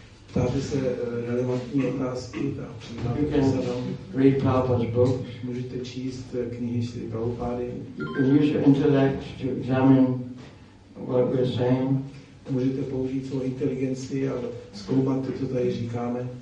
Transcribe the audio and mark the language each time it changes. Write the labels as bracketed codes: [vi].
[cs] Ptáte se relevantní otázky a [en] read Prabhupada's books. [cs] Můžete číst knihy Srila Prabhupády. [en] You can use your intellect to examine what we're saying. [cs] Můžete použít svou inteligenci a zkoumat to, co tady říkáme.